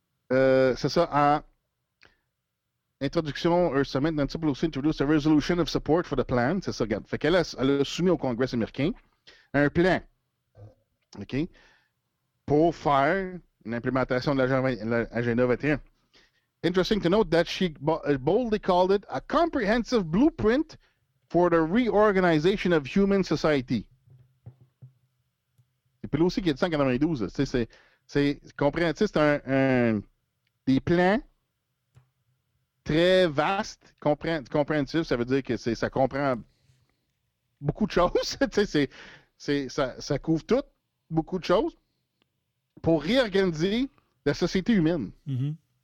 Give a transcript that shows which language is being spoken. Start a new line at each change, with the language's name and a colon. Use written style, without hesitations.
French: C'est ça, en introduction,
English: Earth Summit, Nancy Pelosi introduced a resolution of support for the plan.
French: C'est ça, regarde. Fait qu'elle a soumis au Congrès américain un plan, OK, pour faire une implémentation de l'agenda 21.
English: Interesting to note that she boldly called it a comprehensive blueprint for the reorganization of human society.
French: C'est Pelosi qui a dit ça en 92. C'est compréhensif, c'est des plans très vastes, compréhensifs, ça veut dire que ça comprend beaucoup de choses, ça couvre tout, beaucoup de choses, pour réorganiser la société humaine. Mm-hmm.